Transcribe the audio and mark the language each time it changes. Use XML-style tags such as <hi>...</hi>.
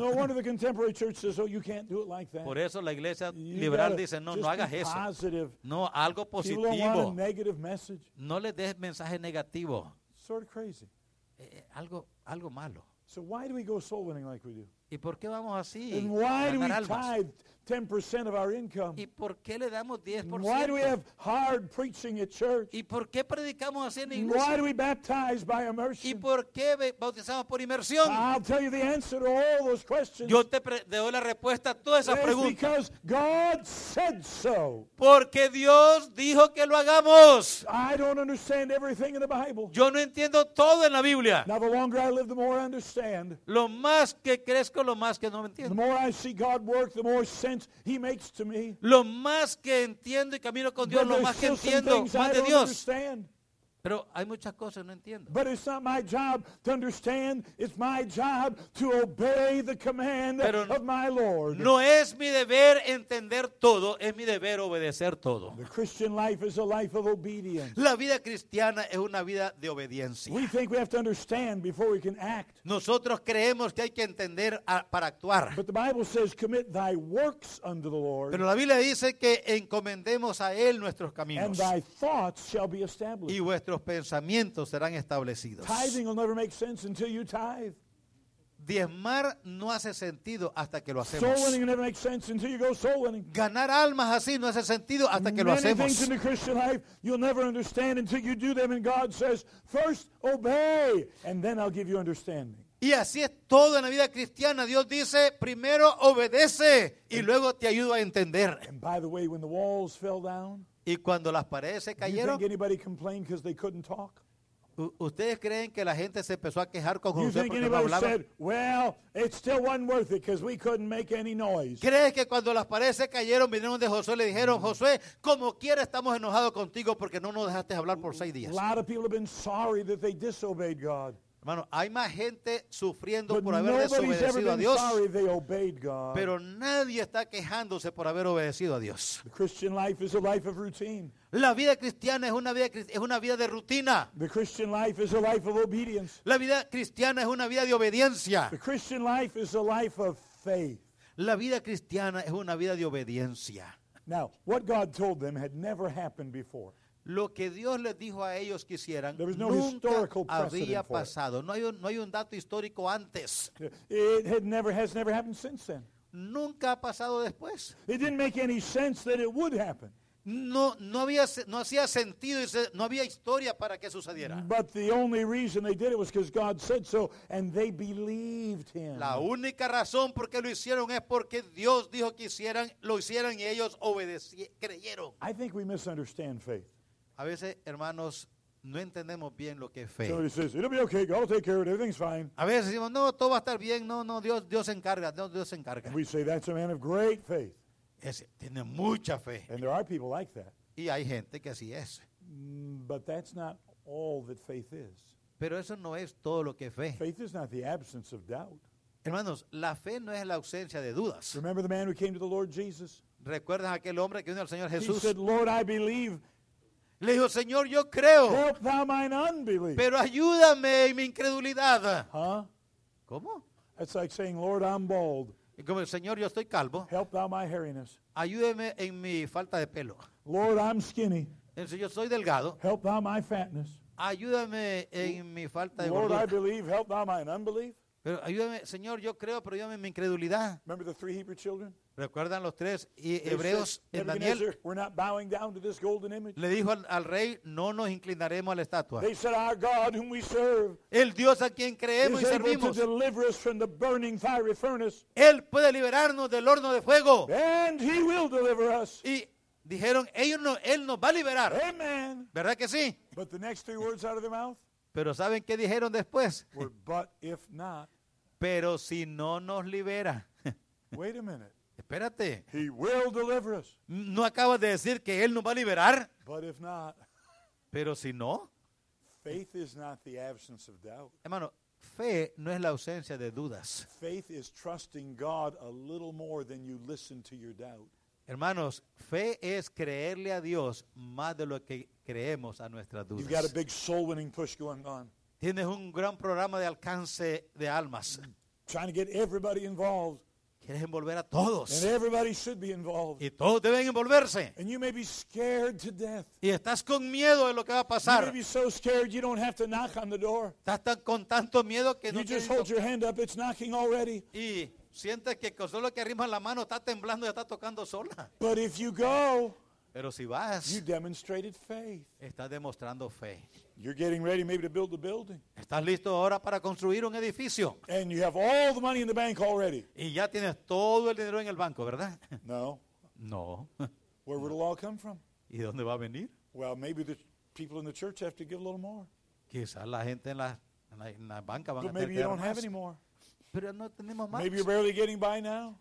<en>No wonder the contemporary church says, "Oh, you can't do it like that."</en> <es>Por eso la iglesia liberal dice, "No, no hagas eso."</es> <en>Positive.</en> <es>No, algo positivo.</es> <en>Negative message.</en> <es>No les des mensaje negativo.</es> <en>Sort of crazy.</en> <es>Algo malo.</es> <en>So why do we go soul winning like we do?</en> <es>¿Y por qué vamos así?</es> <en>And why do we tithe 10% of our income?</en> <es>¿Y por qué le damos 10%?</es> <en>Why do we have hard preaching at church?</en> <es>¿Y por qué predicamos así en iglesia?</es> <en>Why do we baptize by immersion?</en> <es>¿Y por qué bautizamos por inmersión?</es> <en>I'll tell you the answer to all those questions.</en> <es>Yo te doy la respuesta a todas esas preguntas.</es> <en>Because God said so.</en> <es>Porque Dios dijo que lo hagamos.</es> <en>I don't understand everything in the Bible.</en> <es>Yo no entiendo todo en la Biblia.</es> <en>Now the longer I live, the more I understand.</en> <es>Lo más que crees lo más que no entiendo.</es> <en>The more I see God work, the more sense He makes to me.</en> <es>Lo más que entiendo y camino con Dios,</es> <en>but</en> <es>lo más que entiendo más de Dios.</es> <en>Understand.</en> <es>Pero hay muchas cosas que no entiendo.</es> <en>But it's not my job to understand. It's my job to obey the command</en> <es>pero</es> <en>of my Lord.</en> <es>No es mi deber entender todo, es mi deber obedecer todo.</es> <en>The Christian life is a life of obedience.</en> <es>La vida cristiana es una vida de obediencia.</es> <en>We think we have to understand before we can act.</en> <es>Nosotros creemos que hay que entender para actuar.</es> <en>But the Bible says, "Commit thy works unto the Lord."</en> <es>Pero la Biblia dice que encomendemos a él nuestros caminos.</es> <en>And thy thoughts shall be established.</en> <es>Vuestros pensamientos serán establecidos.</es> <en>Tithing will never make sense until you tithe.</en> <es>Diezmar no hace sentido hasta que lo hacemos.</es> <en>Soul winning never makes sense until you go soul winning.</en> <es>Ganar almas así no hace sentido hasta que</es> <en>many</en> <es>lo hacemos.</es> <en>Many things in the Christian life you'll never understand until you do them, and God says, first obey, and then I'll give you understanding.</en> <es>Y así es todo en la vida cristiana. Dios dice, primero obedece y luego te ayudo a entender.</es> <en>And by the way, when the walls fell down,</en> <es>y cuando las paredes se cayeron,</es> <en>you think anybody complained because they couldn't talk?</en> <es>¿Ustedes creen que la gente se empezó a quejar con José porque no hablaba?</es> <en>You think anybody said, well, it still wasn't worth it because we couldn't make any noise?</en> <es>¿Crees que cuando las paredes se cayeron vinieron de Josué y le dijeron, Josué, como quiera estamos enojados contigo porque no nos dejaste hablar por 6 días?</es> <en>A lot of people have been sorry that they disobeyed God.</en> <es>Hermano, hay más gente sufriendo</es> <en>but</en> <es>por haber desobedecido a Dios.</es> <en>Sorry they obeyed God.</en> <es>Pero nadie está quejándose por haber obedecido a Dios.</es> <en>The Christian life is a life of routine.</en> <es>La vida cristiana es una vida de rutina.</es> <en>The Christian life is a life of obedience.</en> <es>La vida cristiana es una vida de obediencia.</es> <en>The Christian life is a life of faith.</en> <es>La vida cristiana es una vida de obediencia.</es> <en>Now, what God told them had never happened before.</en> <es>Lo que Dios les dijo a ellos que hicieran nunca había pasado. No hay un dato histórico antes.</es> <en>It has never happened since then.</en> <es>nunca ha pasado después.</es> <en>It didn't make any sense that it would happen.</en> <es>No hacía sentido y no había historia para que sucediera.</es> <en>But the only reason they did it was because God said so, and they believed him.</en> <es>La única razón por qué lo hicieron es porque Dios dijo que hicieran, lo hicieran, y ellos creyeron.</es> <en>I think we misunderstand faith.</en> <es>A veces, hermanos, no entendemos bien lo que es fe.</es> <en>Somebody says, it'll be okay, God will take care of it, everything's fine.</en> <es>A veces decimos, no, todo va a estar bien, no, Dios se encarga.</es> <en>And we say, that's a man of great faith.</en> <es>Tiene mucha fe.</es> <en>And there are people like that.</en> <es>Y hay gente que así es.</es> <en>But that's not all that faith is.</en> <es>Pero eso no es todo lo que es fe.</es> <en>Faith is not the absence of doubt.</en> <es>Hermanos, la fe no es la ausencia de dudas.</es> <en>Remember the man who came to the Lord Jesus?</en> <es>¿Recuerdas aquel hombre que vino al Señor Jesús?</es> <en>He said, Lord, I believe.</en> <es>Le dijo, Señor, yo creo.</es> <en>Help thou mine unbelief.</en> <es>Pero ayúdame en mi incredulidad.</es> <en>Huh?</en> <es>¿Cómo?</es> <en>It's like saying, Lord, I'm bald.</en> <es>Como el Señor, yo estoy calvo.</es> <en>Help thou my hairiness.</en> <es>Ayúdeme en mi falta de pelo.</es> <en>Lord, I'm skinny.</en> <es>Yo soy delgado.</es> <en>Help thou my fatness.</en> <es>Ayúdeme en mi falta de gordura.</es> <en>Lord, I believe. Help thou my unbelief.</en> <es>Pero ayúdame, Señor, yo creo, pero ayúdame en mi incredulidad.</es> <en>Remember the three Hebrew children?</en> <es>¿Recuerdan los tres hebreos en Daniel?</es> <en>We're not bowing down to this golden image.</en> <es>Le dijo al rey, no nos inclinaremos a la estatua.</es> <en>They said, our God whom we serve,</en> <es>el Dios a quien creemos y servimos,</es> <en>is able to deliver us from the burning fiery furnace.</en> <es>Él puede liberarnos del horno de fuego.</es> <en>And he will deliver us.</en> <es>Y dijeron, él nos va a liberar.</es> <en>Amen.</en> <es>¿Verdad que sí?</es> <en>But the next three words out of their mouth,</en> <es>pero ¿saben qué dijeron después?</es> <en>Were, but if not,</en> <es>pero si no nos libera.</es> <en>Wait a minute.</en> <es>Espérate.</es> <en>He will deliver us.</en> <es>¿No acabas de decir que Él nos va a liberar?</es> <en>But if not,</en> <es>pero si no.</es> <en>Faith is not the absence of doubt.</en> <es>Hermano, fe no es la ausencia de dudas.</es> <en>Faith is trusting God a little more than you listen to your doubt.</en> <es>Hermanos, fe es creerle a Dios más de lo que creemos a nuestras dudas.</es> <en>You've got a big soul-winning push going on.</en> <es>Tienes un gran programa de alcance de almas.</es> <en>Trying to get everybody involved.</en> <es>Quieres envolver a todos.</es> <en>And everybody should be involved.</en> <es>Y todos deben envolverse.</es> <en>And you may be scared to death.</en> <es>Y estás con miedo de lo que va a pasar.</es> <en>You may be so scared you don't have to knock on the door.</en> <es>Estás tan con tanto miedo que</es> <en>you</en> <es>no</es> <en>just</en> <es>quieres</es> <en>hold your hand up, it's knocking already.</en> <es>Y sientes que solo que arrimas la mano está temblando y está tocando sola.</es> <en>But if you go,</en> <es>pero si vas,</es> <en>you demonstrated faith.</en> <es>Estás demostrando fe.</es> <en>You're getting ready maybe to build a building.</en> <es>Estás listo ahora para construir un edificio.</es> <en>And you have all the money in the bank already.</en> <es>Y ya tienes todo el dinero en el banco, ¿verdad?</es> <en>No.</en> <es>No.</es> <en>Where would it all come from?</en> <es>¿Y dónde va a venir?</es> <en>Well, maybe the people in the church have to give a little more.</en> <es>Quizás la gente en la banca van a tener que dar más.</es> <en>But maybe you don't have any more.</en> <es>Pero no tenemos más.</es> <en>Maybe you're barely getting by now.</en>